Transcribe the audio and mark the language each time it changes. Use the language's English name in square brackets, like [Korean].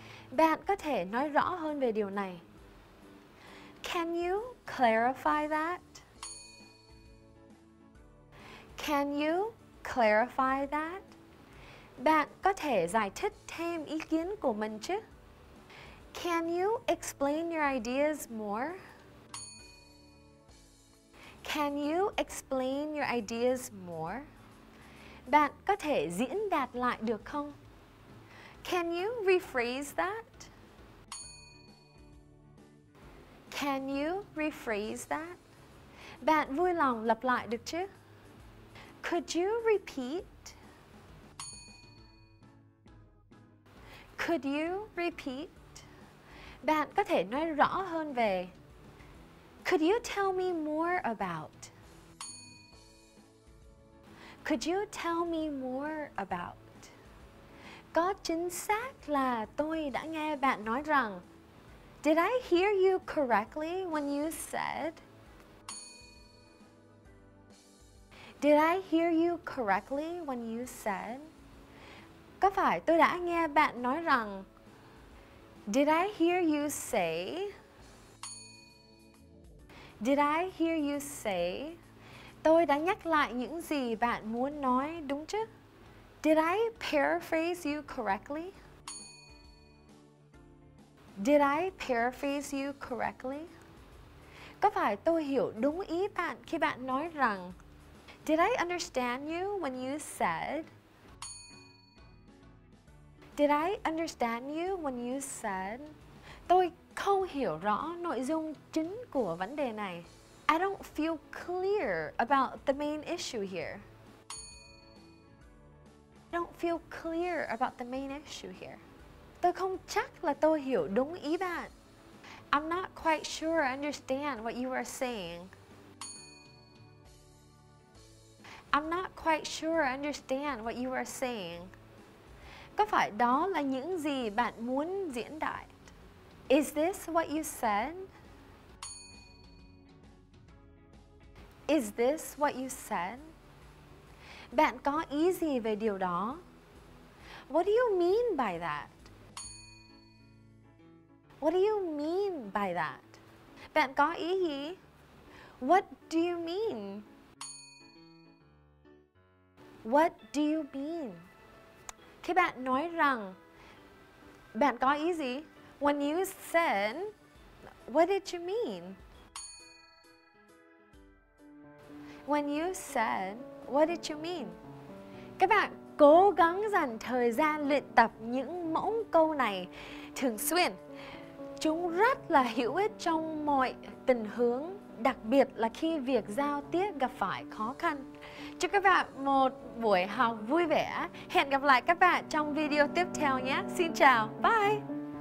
[Vietnamese] Bạn có thể nói rõ hơn về điều này. [English] Can you clarify that? Can you clarify that? [Vietnamese] Bạn có thể giải thích thêm ý kiến của mình chứ? [English] Can you explain your ideas more? Can you explain your ideas more? [Vietnamese] Bạn có thể diễn đạt lại được không? [English] Can you rephrase that? Can you rephrase that? [Vietnamese] Bạn vui lòng lặp lại được chứ? [English] Could you repeat? [Vietnamese] Could you repeat? Bạn có thể nói rõ hơn về [English] Could you tell me more about? Could you tell me more about? [Vietnamese] Có chính xác là tôi đã nghe bạn nói rằng [English] Did I hear you correctly when you said? Did I hear you correctly when you said? [Vietnamese] Có phải tôi đã nghe bạn nói rằng [English] Did I hear you say? Did I hear you say? [Vietnamese] Tôi đã nhắc lại những gì bạn muốn nói đúng chứ? [English] Did I paraphrase you correctly? Did I paraphrase you correctly? [Vietnamese] Có phải tôi hiểu đúng ý bạn khi bạn nói rằng [English] Did I understand you when you said? Did I understand you when you said? [Vietnamese] Tôi không hiểu rõ nội dung chính của vấn đề này. [English] I don't feel clear about the main issue here. I don't feel clear about the main issue here. [Vietnamese] Tôi không chắc là tôi hiểu đúng ý bạn. [English] I'm not quite sure I understand what you are saying. I'm not quite sure I understand what you are saying. [Vietnamese] Có phải đó là những gì bạn muốn diễn đạt? [English] Is this what you said? Is this what you said? [Vietnamese] Bạn có ý gì về điều đó? [English] What do you mean by that? What do you mean by that? [Vietnamese] Bạn có ý gì? [English] What do you mean? What do you mean? [Vietnamese] Khi bạn nói rằng bạn có ý gì? [English] When you said, what did you mean? When you said, what did you mean? [Vietnamese] Các bạn cố gắng dành thời gian luyện tập những mẫu câu này thường xuyên. Chúng rất là hữu ích trong mọi tình huống, đặc biệt là khi việc giao tiếp gặp phải khó khăn. Chúc các bạn một buổi học vui vẻ. Hẹn gặp lại các bạn trong video tiếp theo nhé. Xin chào. Bye.